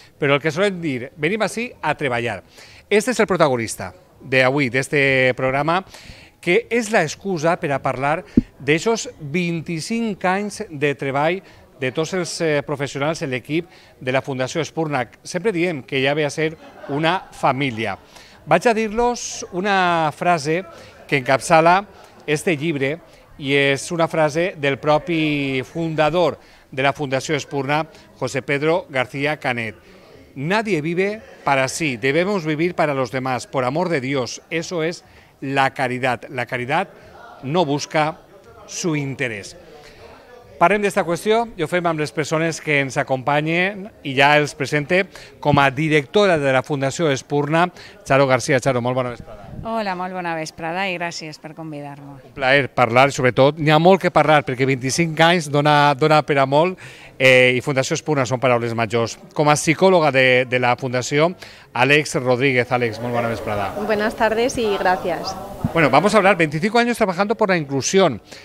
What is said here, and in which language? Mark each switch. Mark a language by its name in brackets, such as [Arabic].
[Catalan] Però el que solen dir, venim així a treballar. Este és el protagonista d'avui, d'este programa, que és l'excusa per a parlar d'aixòs 25 anys de treball de tots els professionals en l'equip de la Fundació Espurna. Sempre diem que ja ve a ser una família. Vaig a dir-los una frase que encapçala este llibre i és una frase del propi fundador de la Fundació Espurna, José Pedro García Canet. [Spanish] Nadie vive para sí, debemos vivir para los demás, por amor de Dios. Eso es la caridad. La caridad no busca su interés. [Catalan] Parlem d'esta qüestió i ho fem amb les persones que ens acompanyen i ja els presente com a directora de la Fundació Espurna, Charo García. Charo, molt bona vesprada. Hola, molt bona vesprada i gràcies per convidar-me. Un plaer parlar i sobretot n'hi ha molt que parlar perquè 25 anys dona per a molt i Fundació Espurna són paraules majors. Com a psicòloga de la Fundació, Àlex Rodríguez. Àlex, molt bona vesprada. [Spanish] Buenas tardes y gracias. Bueno, vamos a hablar, 25 años trabajando por la inclusión.